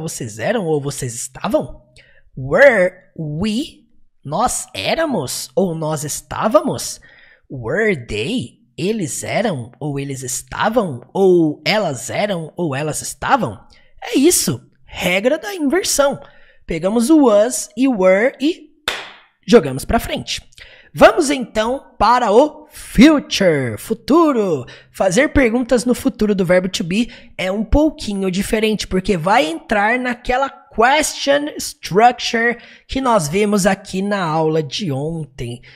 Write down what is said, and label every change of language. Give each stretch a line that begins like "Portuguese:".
Portuguese: Vocês eram ou vocês estavam?
English: Were we?
Portuguese: Nós éramos ou nós estávamos?
English: Were they?
Portuguese: Eles eram ou eles estavam? Ou elas eram ou elas estavam? É isso. Regra da inversão. Pegamos o was e were e jogamos para frente. Vamos então para o future, futuro. Fazer perguntas no futuro do verbo to be é um pouquinho diferente, porque vai entrar naquela question structure que nós vimos aqui na aula de ontem.